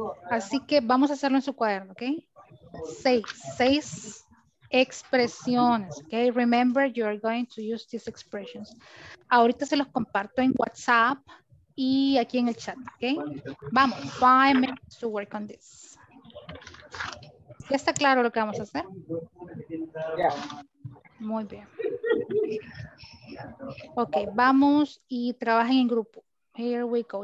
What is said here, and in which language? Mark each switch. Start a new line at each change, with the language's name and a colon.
Spanish: Así que vamos a hacerlo en su cuaderno, ¿ok? 6 expresiones, ¿ok?
English: Remember, you are going to use these expressions.
Spanish: Ahorita se los comparto en WhatsApp y aquí en el chat, ¿ok? Vamos,
English: 5 minutes to work on this.
Spanish: ¿Ya está claro lo que vamos a hacer?
English: Yeah.
Spanish: Muy bien. Ok, vamos y trabajen en grupo.
English: Here we go.